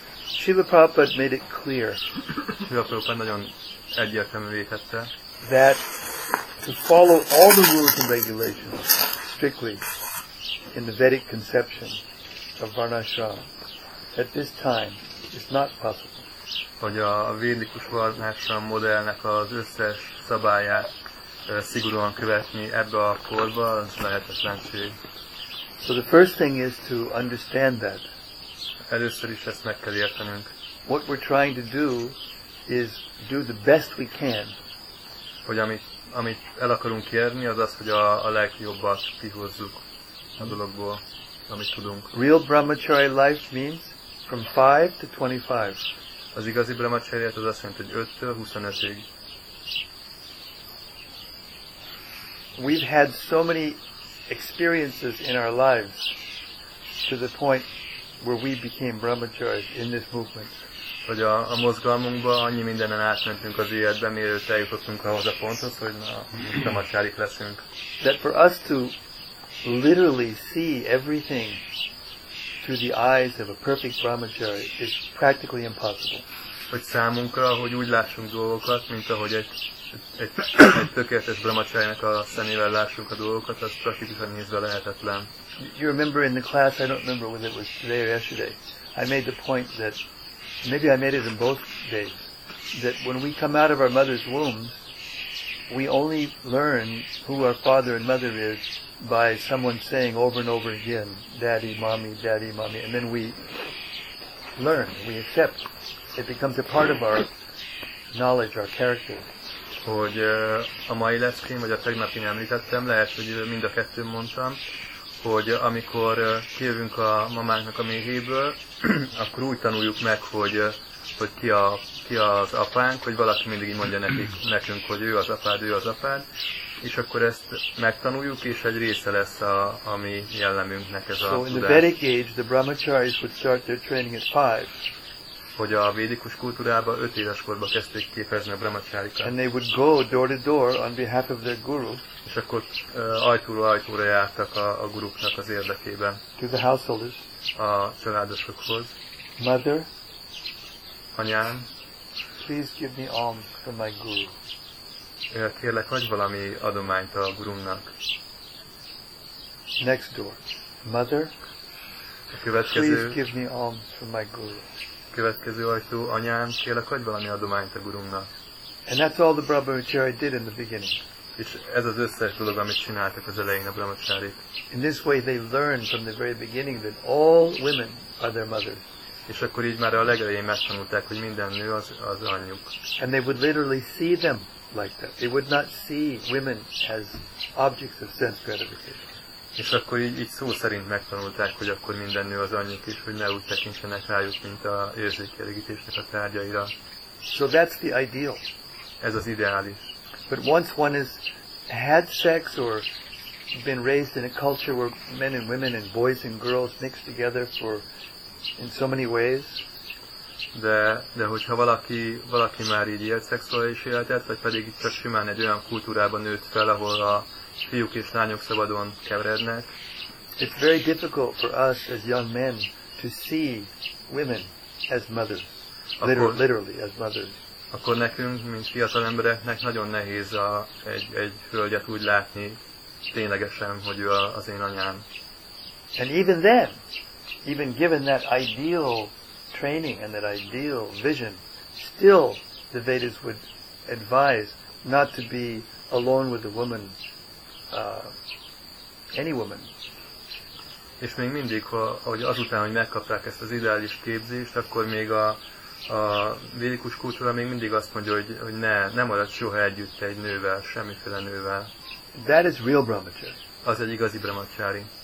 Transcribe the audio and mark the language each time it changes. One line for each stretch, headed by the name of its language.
English: Srila Prabhupada made it clear that to follow all the rules and regulations strictly in the Vedic conception of varnashram at this time is not possible.
Hungarian: Hogy a védikus varnásra modellnek az összes szabályát szigorúan követni ebbe a korba, az lehetetlenség.
English: So the first thing is to understand that.
Hungarian: Először is ezt meg kell értenünk.
English: What we're trying to do is do the best we can.
Hungarian: Hogy amit el akarunk érni, az, hogy a legjobbat kihozzuk a dologból, amit tudunk.
English: Real brahmachari life means from 5 to 25.
Hungarian: Az igazi brahmacharyát az azt jelenti, hogy 5-től 25-ig.
English: We've had so many experiences in our lives to the point where we became brahmacharyas in this movement.
Hungarian: Hogy a mozgalmunkban annyi mindenen átmentünk az életben, mielőtt eljutottunk ahhoz a ponthoz, hogy na, brahmacharyik leszünk.
English: That for us to literally see everything through the eyes of a perfect brahmachari is practically impossible.
Hungarian: Hogy számunkra, hogy úgy lássunk dolgokat, mint ahogy egy tökéletes brahmacharinak a szemével lássuk a dolgokat, az praktikusan nézve lehetetlen.
English: You remember in the class, I don't remember whether it was today or yesterday, I made the point that, maybe I made it in both days, that when we come out of our mother's womb, we only learn who our father and mother is by someone saying over and over again, daddy, mommy, daddy, mommy, and then we learn, we accept. It becomes a part of our knowledge, our character.
Hungarian: Hogy a mai leszkén, vagy a tegnapin említettem, lehet, hogy mind a kettőn mondtam, hogy amikor kijövünk a mamánknak a méhéből, akkor úgy tanuljuk meg, hogy ki az apánk, hogy valaki mindig így mondja nekünk, hogy ő az apád, és akkor ezt megtanuljuk, és egy része lesz a mi jellemünknek ez a tudás.
English: So in the Vedic age, the brahmacharis would start their training at 5.
Hungarian: Hogy a védikus kultúrában 5 éves korban kezdték képezni a brahmacharikat.
English: And they would go door to door on behalf of their guru.
Hungarian: És akkor ajtóról ajtóra jártak a guruknak az érdekében.
English: To the householders.
Hungarian: A családosokhoz.
English: Mother.
Hungarian: Anyám.
English: Please give me alms for my guru.
Hungarian: Kérlek, adj valami adományt a gurumnak.
English: Next door. Mother.
Hungarian: Következő,
English: please give me alms for my guru.
Hungarian: Következő ajtó, anyám, kérlek, adj valami adományt a gurumnak.
English: And that's all the brahmachari did in the beginning.
Hungarian: És ez az összes dolog, amit csináltak az elején a brahmacsárik.
English: In this way they learn from the very beginning that all women are their mothers.
Hungarian: És akkor így már a legelején megtanulták, hogy minden nő az, az anyjuk.
English: And they would literally see them like that. They would not see women as objects of sense gratification.
Hungarian: És akkor így, így szó szerint megtanulták, hogy akkor minden nő az anyjuk is, hogy ne úgy tekintsenek rájuk, mint a érzékelégítésnek a tárgyaira.
English: So that's the ideal.
Hungarian: Ez az ideális.
English: But once one has had sex or been raised in a culture where men and women and boys and girls mix together for in so many ways.
Hungarian: De hogyha valaki már így élt szexuális életet, vagy pedig csak simán egy olyan kultúrában nőtt fel, ahol a fiúk és lányok szabadon keverednek.
English: It's very difficult for us as young men to see women as mothers, literally as mothers.
Hungarian: Akkor nekünk, mint fiatal embereknek nagyon nehéz egy hölgyet úgy látni ténylegesen, hogy ő az én anyám.
English: And even then, even given that ideal training and that ideal vision, still the Vedas would advise not to be alone with a woman, any woman.
Hungarian: És még mindig, hogy azután, hogy megkapták ezt az ideális képzést, akkor még a védikus kultúra még mindig azt mondja, hogy ne maradj soha együtt egy nővel, semmiféle nővel.
English: That is real brahmacharya.
Hungarian: Az egy igazi brahmacsári.